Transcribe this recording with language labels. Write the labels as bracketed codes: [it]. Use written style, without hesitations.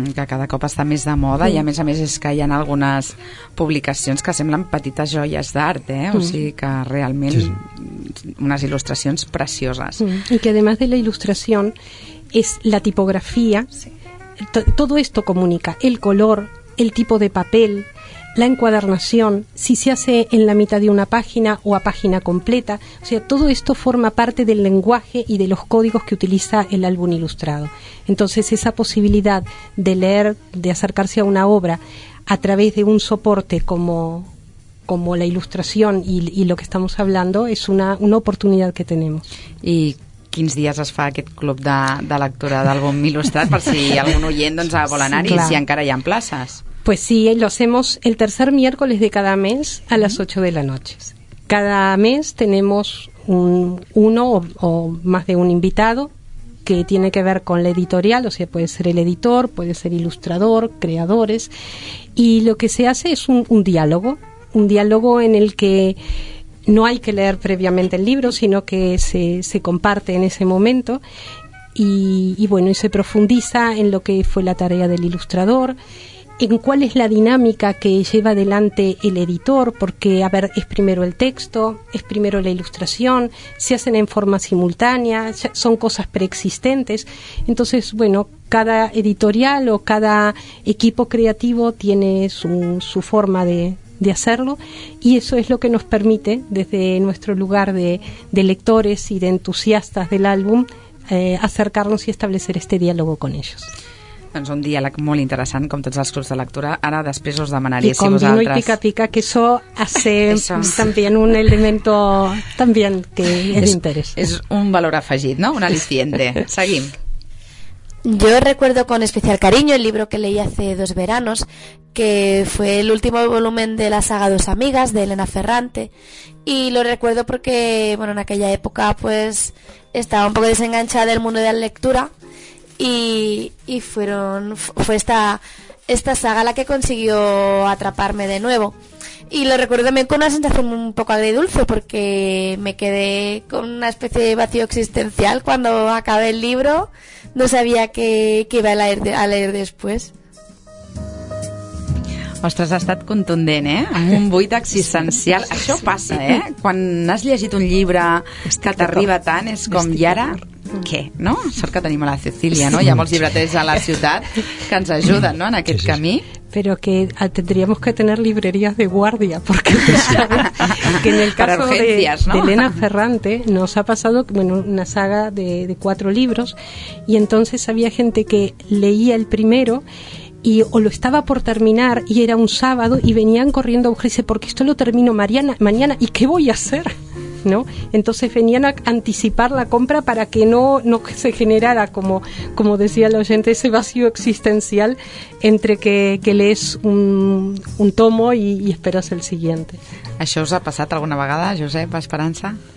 [ca] Que cada cop està més de moda i a més és que hi ha algunes publicacions que semblen petites joies d'art, eh? O sigui que realment unes il·lustracions precioses. I que [es] además de la [ca] il·lustració és la tipografia, [es] todo esto comunica el color, el tipo de papel, la encuadernación, si se hace en la mitad de una página o a página completa. O sea, todo esto forma parte del lenguaje y de los códigos que utiliza el álbum ilustrado. Entonces, esa posibilidad de leer, de acercarse a una obra a través de un soporte como la ilustración y lo que estamos hablando, es una oportunidad que tenemos. Y... [ca] quins dies es fa aquest club de lectura d'àlbum il·lustrat, per si algun oient doncs, vol anar-hi, sí, si encara hi ha places. [es] Pues sí, lo hacemos el tercer miércoles de cada mes a las 8 de la noche. Cada mes tenemos uno o más de un invitado que tiene que ver con la editorial, o sea, puede ser el editor, puede ser ilustrador, creadores, y lo que se hace es un diálogo en el que no hay que leer previamente el libro, sino que se comparte en ese momento y bueno, y se profundiza en lo que fue la tarea del ilustrador, en cuál es la dinámica que lleva adelante el editor, porque, a ver, es primero el texto, es primero la ilustración, se hacen en forma simultánea, son cosas preexistentes. Entonces, bueno, cada editorial o cada equipo creativo tiene su forma de hacerlo, y eso es lo que nos permite, desde nuestro lugar de lectores y de entusiastas del álbum, acercarnos y establecer este diálogo con ellos. [ca] Doncs un diàleg molt interessant, com tots els clubs de lectura. Ara després us demanaria si vosaltres... I com vino i pica-pica, que això ha ser també un element que és interès. És un valor afegit, no? [es] Un aliciente. [ca] Seguim. [es] Yo recuerdo con especial cariño el libro que leí hace dos veranos, que fue el último volumen de la saga Dos Amigas, de Elena Ferrante, y lo recuerdo porque, bueno, en aquella época pues estaba un poco desenganchada del mundo de la lectura y fue esta saga la que consiguió atraparme de nuevo. Y lo recuerdo también con una sensación un poco agridulce, porque me quedé con una especie de vacío existencial cuando acabé el libro. No sabía que iba a leer después. [ca] Ostres, ha estat contundent, eh? Amb un buit existencial. Sí, això passa, eh? Quan has llegit un llibre que t'arriba tant, és com, i ara, què? No? Sort que tenim a la Cecília, no? Hi ha molts llibreters a la ciutat que ens ajuden, no?, en aquest camí. [es] Pero que tendríamos que tener librerías de guardia, porque que en el caso de Elena Ferrante nos ha pasado, bueno, una saga de 4 libros, y entonces había gente que leía el primero y o lo estaba por terminar y era un sábado y venían corriendo a buscarse, porque esto lo termino mañana, ¿y qué voy a hacer? ¿No? Entonces venían a anticipar la compra para que no se generara, como decía el oyente, ese vacío existencial entre que lees un tomo y esperas el siguiente. [ca] ¿Això us ha passat alguna vegada, Josep, Esperança?